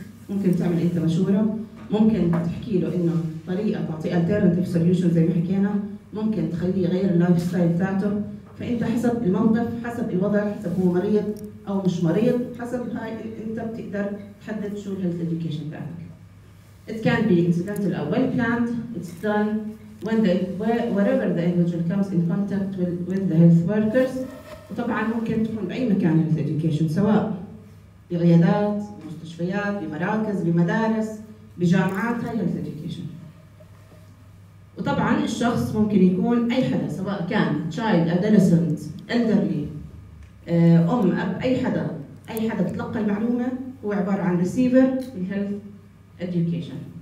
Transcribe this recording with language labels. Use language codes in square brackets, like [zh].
[ar] ممكن تعمل انت مشوره، ممكن تحكي له انه طريقه تعطي alternative solution زي ما حكينا، ممكن تخليه يغير اللايف ستايل بتاعته. فانت حسب الموقف حسب الوضع حسب هو مريض او مش مريض حسب هاي انت بتقدر تحدد شو الهيلث education بتاعك. [en] It can be incidental or well planned. It's done when the wherever the individual comes in contact with the health workers. [ar] وطبعا ممكن تكون بأي مكان health education، سواء بعيادات، مستشفيات، بمراكز، بمدارس، بجامعات، هاي health education. وطبعا الشخص ممكن يكون أي حدا سواء كان [en] child, adolescent, elderly، [ar] أم، أب، أي حدا تلقى المعلومة هو عبارة عن [en] receiver in health education.